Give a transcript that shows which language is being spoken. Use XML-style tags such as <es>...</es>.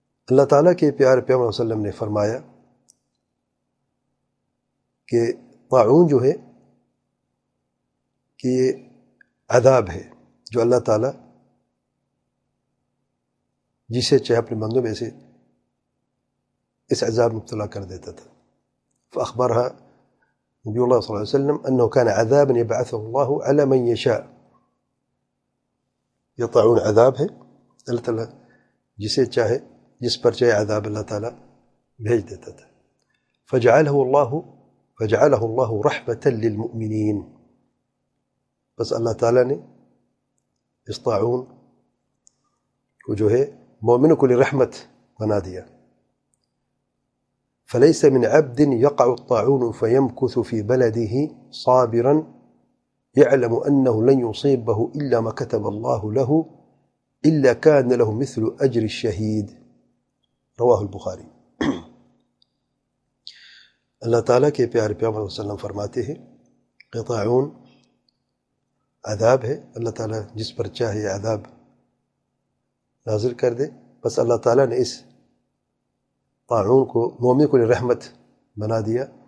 <ur>اللہ تعالیٰ کے پیارے پیغمبر صلی اللہ علیہ وسلم نے فرمایا کہ وعون جو ہے کہ یہ عذاب ہے جو اللہ تعالیٰ جسے چاہے اپنے بندوں میں سے اس عذاب مبتلا کر دیتا تھا.</ur> <ar>فاخبرها نبی اللہ صلی اللہ علیہ وسلم انه كان عذابا يبعثه الله على من يشاء.</ar> <ur>يطعون عذاب ہے اللہ تعالیٰ جسے چاہے، جس پر چاہے عذاب اللہ تعالیٰ بھیج دیتا تھا.</ur> <ar>فجعله الله رحمة للمؤمنين.</ar> <ur>بس اللہ تعالیٰ نے اس طاعون کو جو ہے مومنوں کو رحمت بنا دیا.</ur> <ar>فليس من عبد يقع الطاعون فيمكث في بلده صابرا يعلم انه لن يصيبه الا ما كتب الله له الا كان له مثل اجر الشهيد. رواه البخاري.</ar> <ur>اللہ تعالیٰ کے پیارے پیغمبر صلی اللہ علیہ وسلم فرماتے ہیں کہ طاعون عذاب ہے، اللہ تعالیٰ جس پر چاہے عذاب نازل کر دے. بس اللہ تعالیٰ نے اس طاعون کو مومن کو رحمت بنا دیا.</ur>